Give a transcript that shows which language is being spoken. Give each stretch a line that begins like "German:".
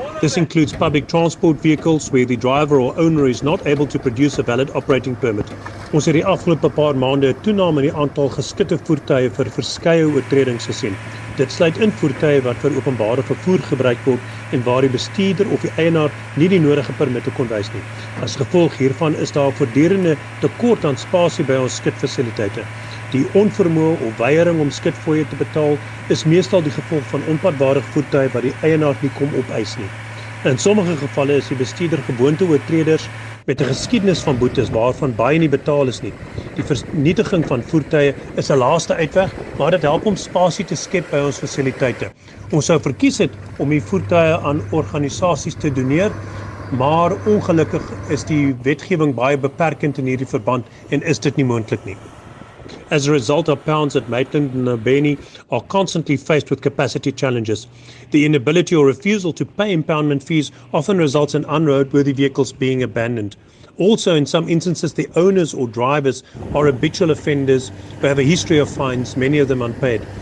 English: This includes public transport vehicles where the driver or owner is not able to produce a valid operating permit.
Afrikaans: Ons het die afgelope paar maande 'n toename in die aantal geskitte voertuie vir verskeie oortredings gesien. Dit sluit in voertuie wat vir openbare vervoer gebruik word en waar die bestuurder of die eienaar nie die nodige permitte kon wys nie. As gevolg hiervan is daar 'n voortdurende tekort aan spasie by ons skitfasiliteite. Die onvermoë of weiering om skitfooie te betaal is meestal die gevolg van onpadbare voertuie wat die eienaar nie kom opeis nie. In sommige gevalle is die bestuurder gewoonte oortreders met 'n geskiedenis van boetes waarvan baie nie betaal is nie. Die vernietiging van voertuie is 'n laaste uitweg, maar dit help om spasie te skep by ons fasiliteite. Ons sou verkies het om die voertuie aan organisasies te doneer, maar ongelukkig is die wetgewing baie beperkend in hierdie verband en is dit nie moontlik nie.
English: As a result, our pounds at Maitland and Albany are constantly faced with capacity challenges. The inability or refusal to pay impoundment fees often results in unroadworthy vehicles being abandoned. Also, in some instances, the owners or drivers are habitual offenders who have a history of fines, many of them unpaid.